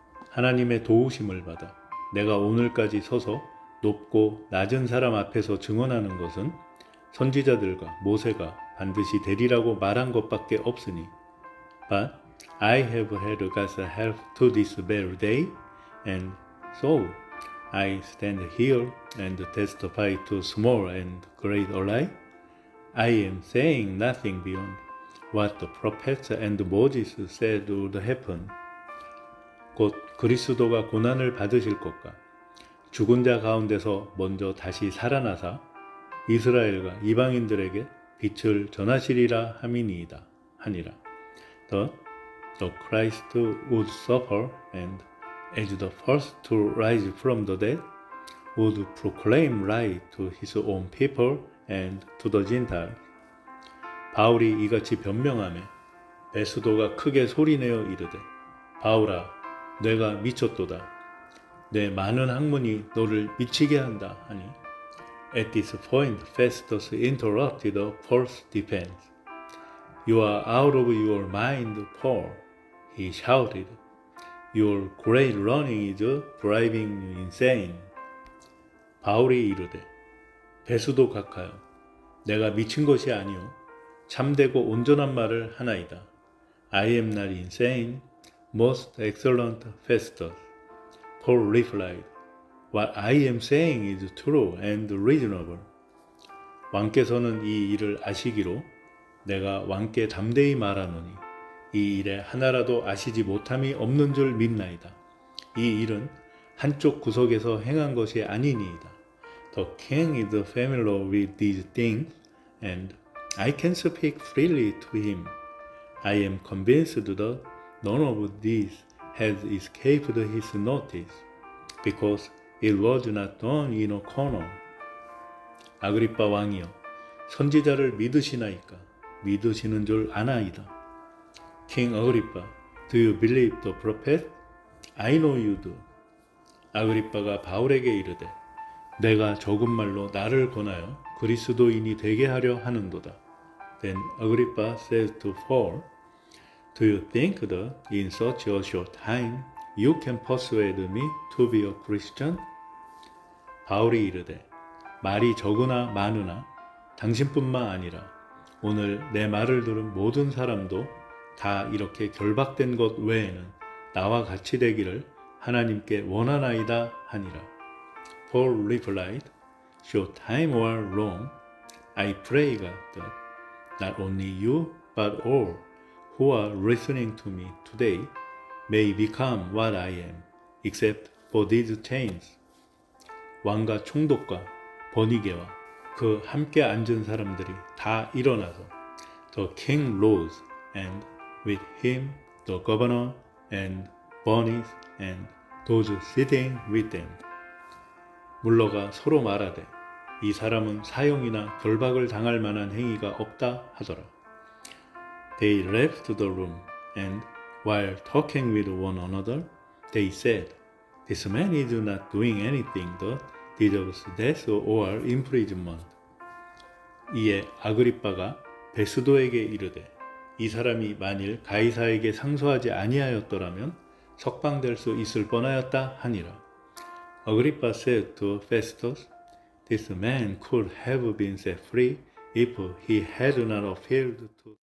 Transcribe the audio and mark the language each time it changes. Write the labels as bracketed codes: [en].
[ko] 하나님의 도우심을 받아 내가 오늘까지 서서 높고 낮은 사람 앞에서 증언하는 것은 선지자들과 모세가 반드시 되리라고 말한 것밖에 없으니 [en] But I have had God's help to this very day and so I stand here and testify to small and great alike. I am saying nothing beyond what the prophets and Moses said would happen. [ko] 곧 그리스도가 고난을 받으실 것과 죽은 자 가운데서 먼저 다시 살아나사 이스라엘과 이방인들에게 빛을 전하시리라 함이니이다 하니라. [en] The Christ would suffer and as the first to rise from the dead would proclaim light to his own people and to the Gentiles. [ko] 바울이 이같이 변명하며 베스도가 크게 소리내어 이르되 바울아 내가 미쳤도다. 내 많은 학문이 너를 미치게 한다 하니 [en] At this point, Festus interrupted the Paul's defense. You are out of your mind, Paul, he shouted. Your great learning is driving you insane. [ko] 바울이 이르되 베스도 각하여 내가 미친 것이 아니오 참되고 온전한 말을 하나이다. [en] I am not insane, most excellent Festus. Paul replied, What I am saying is true and reasonable. [ko] 왕께서는 이 일을 아시기로 내가 왕께 담대히 말하노니 이 일에 하나라도 아시지 못함이 없는 줄 믿나이다. 이 일은 한쪽 구석에서 행한 것이 아니니이다. [en] The king is familiar with these things and I can speak freely to him. I am convinced that none of these has escaped his notice because it was not done in a corner. [ko] 아그립바 왕이여, 선지자를 믿으시나이까? 믿으시는 줄 아나이다. [en] King Agrippa, do you believe the prophet? I know you do. [ko] 아그립바가 바울에게 이르되, 내가 적은 말로 나를 권하여 그리스도인이 되게 하려 하는도다. [en] Then Agrippa says to Paul, Do you think that in such a short time you can persuade me to be a Christian? [ko] 바울이 이르되, 말이 적으나 많으나 당신뿐만 아니라 오늘 내 말을 들은 모든 사람도 다 이렇게 결박된 것 외에는 나와 같이 되기를 하나님께 원하나이다 하니라. [en] Paul replied, Short time or long, I pray God that not only you but all who are listening to me today may become what I am, except for these chains. [ko] 왕과 총독과 번위계와 그 함께 앉은 사람들이 다 일어나서 [en] The king rose and with him the governor and bonnies and those sitting with them. [ko] 물러가 서로 말하되 이 사람은 사형이나 결박을 당할 만한 행위가 없다 하더라. [en] They left the room and while talking with one another, they said, This man is not doing anything that deserves death or imprisonment. [ko] 이에 아그립바가 베스도에게 이르되 이 사람이 만일 가이사에게 상소하지 아니하였더라면 석방될 수 있을 뻔하였다 하니라. [en] Agrippa said to Festus, This man could have been set free if he had not appealed to...